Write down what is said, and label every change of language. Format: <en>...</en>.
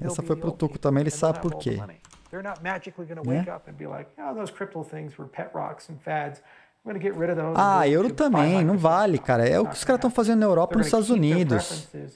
<pt>Essa foi pro Tuco também, ele sabe por quê.</pt> <en>They're not magically going to wake up and be like, "Oh, those crypto things were pet rocks and fads. I'm going to get rid of those."</en> <pt>Ah, euro também, não vale, cara. É o que os caras estão fazendo na Europa e nos Estados Unidos.</pt>